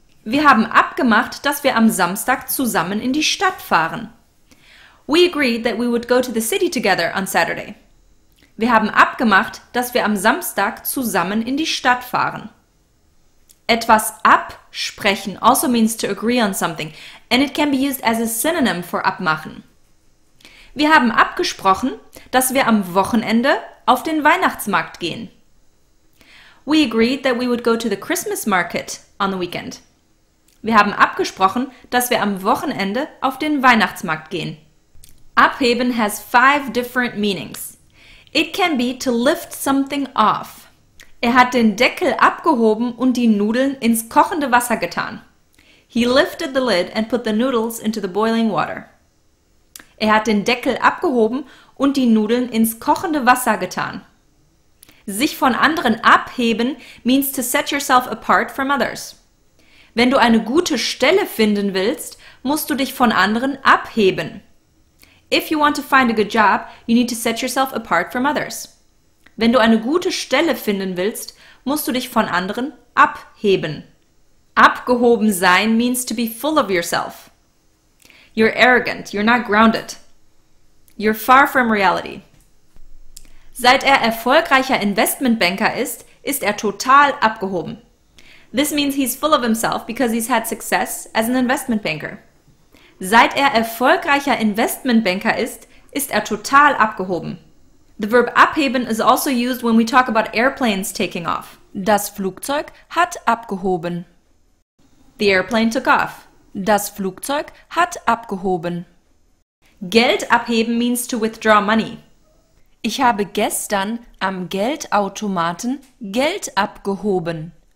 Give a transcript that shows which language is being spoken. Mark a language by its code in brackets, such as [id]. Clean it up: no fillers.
[de] Wir haben abgemacht, dass wir am Samstag zusammen in die Stadt fahren. [en] We agreed that we would go to the city together on Saturday. [de] Wir haben abgemacht, dass wir am Samstag zusammen in die Stadt fahren. [en] Etwas absprechen also means to agree on something, and it can be used as a synonym for abmachen. [de] Wir haben abgesprochen, dass wir am Wochenende auf den Weihnachtsmarkt gehen. [en] We agreed that we would go to the Christmas market on the weekend. [de] Wir haben abgesprochen, dass wir am Wochenende auf den Weihnachtsmarkt gehen. [en] Abheben has 5 different meanings. It can be to lift something off. [de] Er hat den Deckel abgehoben und die Nudeln ins kochende Wasser getan. [en] He lifted the lid and put the noodles into the boiling water. [de] Er hat den Deckel abgehoben und die Nudeln ins kochende Wasser getan. [en] Sich von anderen abheben means to set yourself apart from others. [de] Wenn du eine gute Stelle finden willst, musst du dich von anderen abheben. [en] If you want to find a good job, you need to set yourself apart from others. [de] Wenn du eine gute Stelle finden willst, musst du dich von anderen abheben. [en] Abgehoben sein means to be full of yourself. You're arrogant, you're not grounded. You're far from reality. [de] Seit er erfolgreicher Investmentbanker ist, ist er total abgehoben. [en] This means he's full of himself because he's had success as an investment banker. [de] Seit er erfolgreicher Investmentbanker ist, ist er total abgehoben. [en] The verb abheben is also used when we talk about airplanes taking off. [de] Das Flugzeug hat abgehoben. [en] The airplane took off. [de] Das Flugzeug hat abgehoben. [en] Geld abheben means to withdraw money. [de] Ich habe gestern am Geldautomaten Geld abgehoben.